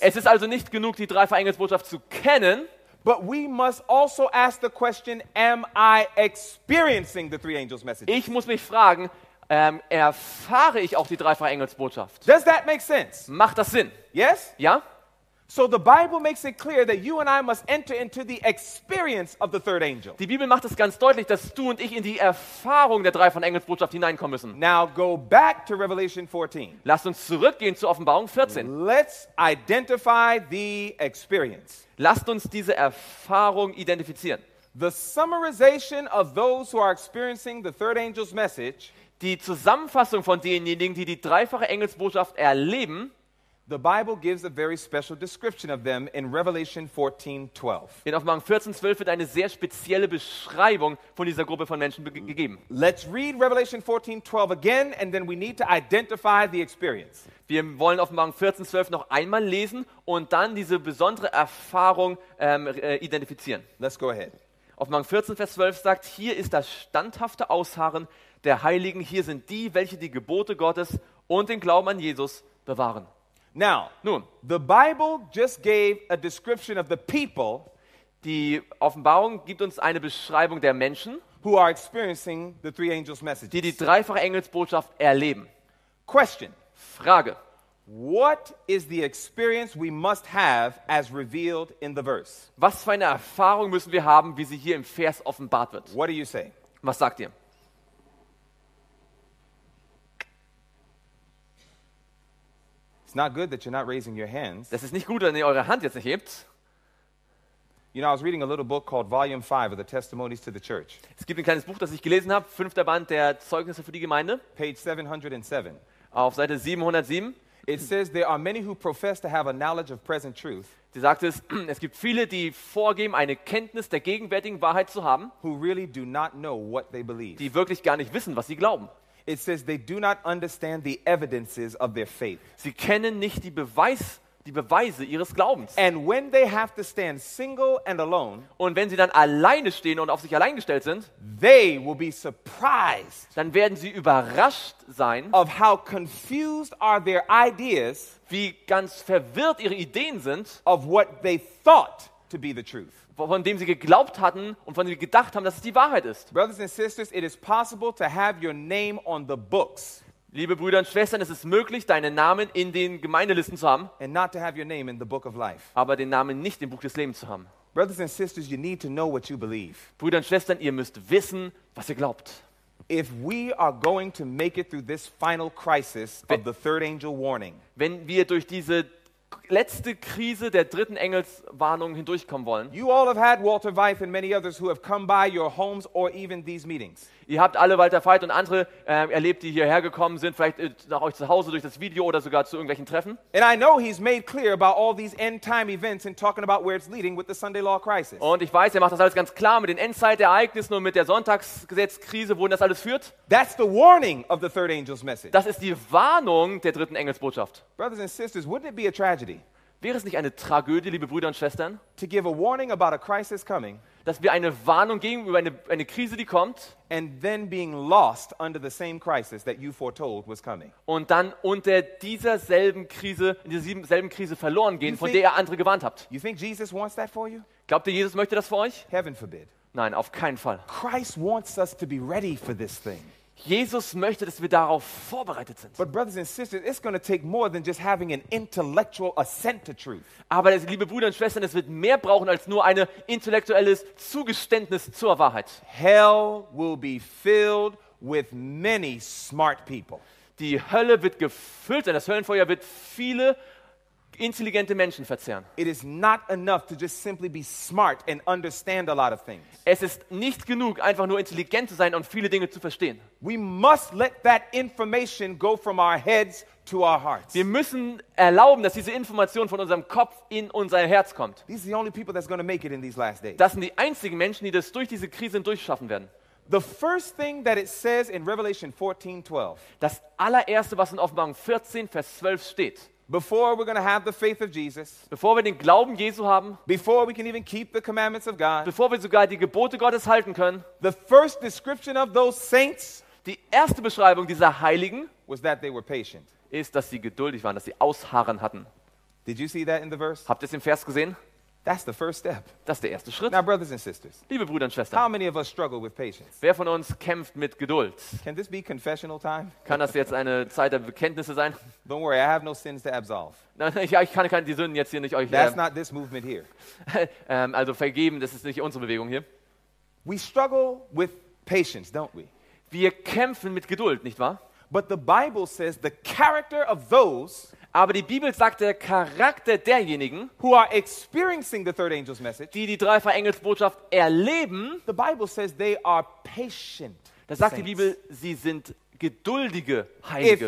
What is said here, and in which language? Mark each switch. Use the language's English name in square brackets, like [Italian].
[German] Es ist also nicht genug, die dreifache Engelsbotschaft zu kennen. [English] But we must also ask the question: Am I experiencing the three angels' messages? [German] Ich muss mich fragen: Erfahre ich auch die dreifache Engelsbotschaft? [English] Does that make sense? [German] Macht das Sinn? [English] Yes. [German] Ja. [English] So the Bible makes it clear that you and I must enter into the experience of the third angel. [German] Die Bibel macht es ganz deutlich, dass du und ich in die Erfahrung der dreifachen Engelsbotschaft hineinkommen müssen. [English] Now go back to Revelation 14. [German] Lass uns zurückgehen zu Offenbarung 14. [English] Let's identify the experience. [German] Lasst uns diese Erfahrung identifizieren. [English] The summarization of those who are experiencing the third angel's message. [German] Die Zusammenfassung von denjenigen, die die dreifache Engelsbotschaft erleben. [English] The Bible gives a very special description of them in Revelation 14:12. [German] In Offenbarung 14:12 wird eine sehr spezielle Beschreibung von dieser Gruppe von Menschen gegeben. [English] Let's read Revelation 14:12 again and then we need to identify the experience. [German] Wir wollen Offenbarung 14:12 noch einmal lesen und dann diese besondere Erfahrung identifizieren. [English] Let's go ahead. [German] Offenbarung 14 Vers 12 sagt: Hier ist das standhafte Ausharren der Heiligen, hier sind die, welche die Gebote Gottes und den Glauben an Jesus bewahren. [English] Now, [German] nun, [English] the Bible just gave a description of the people. [German] Die Offenbarung gibt uns eine Beschreibung der Menschen, [English] who are experiencing the three angels' messages. [German] Die dreifache Engelsbotschaft erleben. [English] Question. [German] Frage. [English] What is the experience we must have as revealed in the verse? [German] Was für eine Erfahrung müssen wir haben, wie sie hier im Vers offenbart wird? [English] What do you say? [German] Was sagt ihr? [English] It's not good that you're not raising your hands. [German] Das ist nicht gut, wenn ihr eure Hand jetzt nicht hebt. [English] You know, I was reading a little book called Volume 5 of the Testimonies to the Church. [German] Es gibt ein kleines Buch, das ich gelesen habe, fünfter Band der Zeugnisse für die Gemeinde. [English] Page 707. [German] Auf Seite 707. [English] It says there are many who profess to have a knowledge of present truth. [German] Sie sagt es gibt viele, die vorgeben, eine Kenntnis der gegenwärtigen Wahrheit zu haben, [English] who really do not know what they believe. [German] Die wirklich gar nicht wissen, was sie glauben. [English] It says they do not understand the evidences of their faith. [German] Sie kennen nicht die Beweise ihres Glaubens. [English] And when they have to stand single and alone, [German] und wenn sie dann alleine stehen und auf sich allein gestellt sind, [English] they will be surprised. [German] Dann werden sie überrascht sein, [English] of how confused are their ideas, [German] wie ganz verwirrt ihre Ideen sind, [English] of what they thought to be the truth. [German] Von dem sie geglaubt hatten und von dem sie gedacht haben, dass es die Wahrheit ist. [English] Brothers and sisters, it is possible to have your name on the books. [German] Liebe Brüder und Schwestern, es ist möglich, deinen Namen in den Gemeindelisten zu haben, [English] and not to have your name in the book of life. [German] Aber den Namen nicht im Buch des Lebens zu haben. [English] Brothers and sisters, you need to know what you believe. [German] Brüder und Schwestern, ihr müsst wissen, was ihr glaubt. [English] If we are going to make it through this final crisis of the third angel warning, [German] wenn wir durch diese letzte Krise der dritten Engelswarnung hindurchkommen wollen. [English] You all have had Walter Veith and many others who have come by your homes or even these meetings. [German] Ihr habt alle Walter Veith und andere erlebt, die hierher gekommen sind, vielleicht nach euch zu Hause durch das Video oder sogar zu irgendwelchen Treffen. [English] And I know he's made clear about all these end time events and talking about where it's leading with the Sunday law crisis. [German] Und ich weiß, er macht das alles ganz klar mit den Endzeitereignissen und mit der Sonntagsgesetzkrise, wohin das alles führt. [English] That's the warning of the third angel's message. [German] Das ist die Warnung der dritten Engelsbotschaft. [English] Brothers and sisters, wouldn't it be a tragedy? [German] Wäre es nicht eine Tragödie, liebe Brüder und Schwestern, [English] to give a warning about a crisis coming, [German] dass wir eine Warnung geben über eine Krise, die kommt, [English] and then being lost under the same crisis that you foretold was coming. [German] Und dann unter dieser selben Krise, in dieser selben Krise verloren gehen, von der ihr andere gewarnt habt. [English] You think Jesus wants that for you? [German] Glaubt ihr, Jesus möchte das für euch? [English] Heaven forbid. [German] Nein, auf keinen Fall. [English] Christ wants us to be ready for this thing. [German] Jesus möchte, dass wir darauf vorbereitet sind. [English] But brothers and sisters, it's going to take more than just having an intellectual assent to truth. [German] Aber liebe Brüder und Schwestern, es wird mehr brauchen als nur ein intellektuelles Zugeständnis zur Wahrheit. [English] Hell will be filled with many smart people. [German] Die Hölle wird gefüllt sein. Das Höllenfeuer wird viele intelligente Menschen verzehren. [English] It is not enough to just simply be smart and understand a lot of things. [German] Es ist nicht genug, einfach nur intelligent zu sein und viele Dinge zu verstehen. [English] We must let that information go from our heads to our hearts. [German] Wir müssen erlauben, dass diese Information von unserem Kopf in unser Herz kommt. [English] These are the only people that's going to make it in these last days. [German] Das sind die einzigen Menschen, die das durch diese Krise durchschaffen werden. [English] The first thing that it says in Revelation 14:12. [German] Das allererste, was in Offenbarung 14 Vers 12 steht. [English] Before we're going to have the faith of Jesus, [German] bevor wir den Glauben Jesu haben, [English] before we can even keep the commandments of God, [German] bevor wir sogar die Gebote Gottes halten können, [English] the first description of those saints, [German] die erste Beschreibung dieser Heiligen, [English] was that they were patient, [German] ist, dass sie geduldig waren, dass sie Ausharren hatten. [English] Did you see that in the verse? [German] Habt ihr es im Vers gesehen? [English] That's the first step. [German] Das ist der erste Schritt. [English] Now, brothers and sisters, [German] liebe Brüder und Schwestern, [English] how many of us struggle with patience? [German] Wer von uns kämpft mit Geduld? [English] Can this be confessional time? [German] Kann das jetzt eine Zeit der Bekenntnisse sein? [English] Don't worry, I have no sins to absolve. [German] Ich kann keine Sünden jetzt hier nicht euch. [English] That's not this movement here. [German] Also vergeben, das ist nicht unsere Bewegung hier. [English] We struggle with patience, don't we? [German] Wir kämpfen mit Geduld, nicht wahr? [English] But the Bible says the character of those. [German] Aber die Bibel sagt, der Charakter derjenigen, [English] who are experiencing the third angel's message, [German] die dreifache Engelsbotschaft erleben, [English] the Bible says they are patient. [German] Da sagt die Bibel, sie sind geduldige Heilige.